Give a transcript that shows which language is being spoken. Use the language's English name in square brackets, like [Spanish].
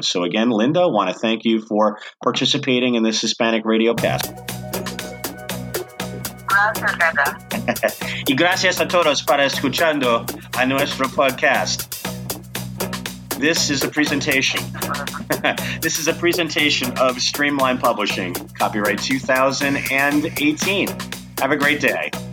[English] So again, Linda, I want to thank you for participating in this Hispanic Radio Cast. [Spanish] Gracias, Linda. Y gracias a todos para escuchando a nuestro podcast. [English] This is a presentation. This is a presentation of Streamline Publishing, copyright 2018. Have a great day.